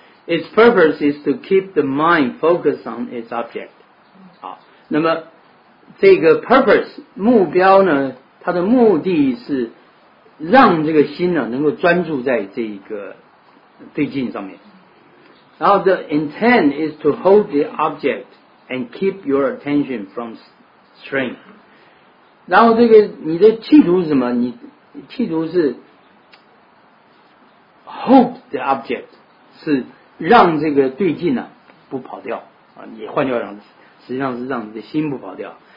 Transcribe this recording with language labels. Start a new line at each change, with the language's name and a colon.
English: Its purpose is to keep the mind focused on its object。
Chinese: 好，那么这个 purpose 目标呢，它的目的是让这个心呢，能够专注在这个对境上面。
English: 然后 the intent is to hold the object and keep your attention from straying。
Chinese: 然后这个你的企图是什么？你企图是
English: hold the object，
Chinese: 是让这个对境呢，不跑掉啊。也换句话讲，实际上是让你的心不跑掉。